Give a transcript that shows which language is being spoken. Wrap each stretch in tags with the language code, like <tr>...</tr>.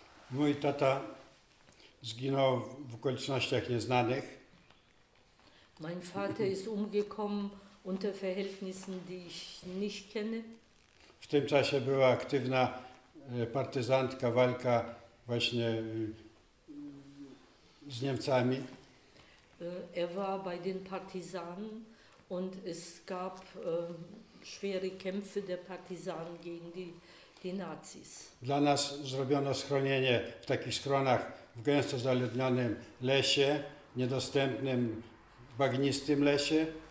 <pl>Mój tata zginął w okolicznościach nieznanych.</pl> <de>Mein Vater ist umgekommen unter Verhältnissen, die ich nicht kenne.</de> <pl>W tym czasie była aktywna partyzantka, walka właśnie z Niemcami.</pl> <de>Er war bei den Partisanen und es gab schwere Kämpfe der Partisanen gegen die Nazis.</de> <pl>Dla nas zrobiono schronienie w takich schronach w gęsto zaludnionym lesie, niedostępnym, bagnistym lesie.</pl>